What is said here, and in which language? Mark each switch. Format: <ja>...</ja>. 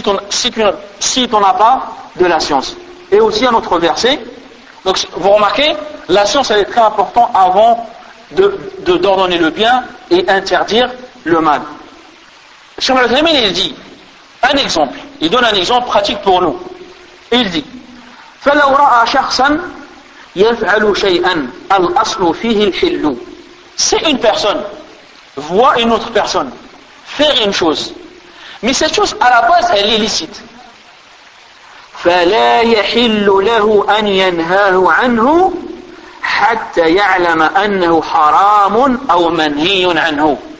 <fr>Si tu n'as pas de la science. Et aussi un autre verset. Donc vous remarquez, la science elle est très importante avant de d'ordonner le bien et interdire le mal. Cheikh Al-Uthaymeen il dit un exemple. Il donne un exemple pratique pour nous. Il dit:</fr> <ar>فَلَوْ رَأَ شَخْصًا يَفْعَلُ شَيْئًا الْأَصْلُ فِيهِ الْحِلُّ.</ar> <fr>Si une personne voit une autre personne faire une chose, mais cette chose, à la base, elle est illicite.</fr> <ar>فَلَا يَحِلُّ لَهُ أَنْ يَنْهَاهُ عَنْهُ حَتَّى يَعْلَمَ أَنَّهُ حَرَامٌ أَوْ مَنْهِيٌ عَنْهُ.</ar>